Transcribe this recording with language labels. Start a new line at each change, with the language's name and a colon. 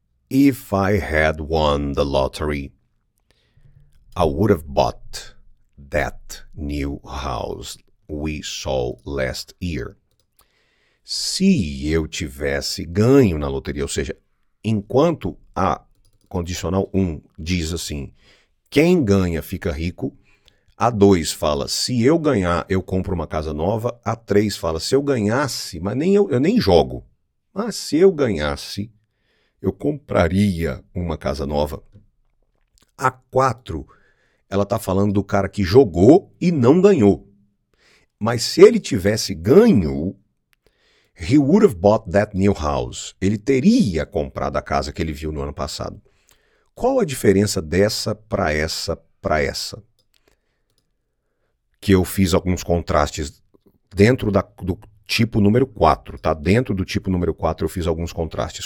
English: If I had won the lottery, I would have bought that new house we saw last year.
Portuguese: Se eu tivesse ganho na loteria, ou seja, enquanto a condicional 1 diz assim, quem ganha fica rico, a 2 fala, se eu ganhar, eu compro uma casa nova, a 3 fala, se eu ganhasse, mas nem eu nem jogo, mas se eu ganhasse, eu compraria uma casa nova. A 4, ela está falando do cara que jogou e não ganhou. Mas se ele tivesse ganho,
English: he would have bought that new house.
Portuguese: Ele teria comprado a casa que ele viu no ano passado. Qual a diferença dessa para essa para essa? Que eu fiz alguns contrastes dentro do tipo número 4. Tá? Dentro do tipo número 4 eu fiz alguns contrastes.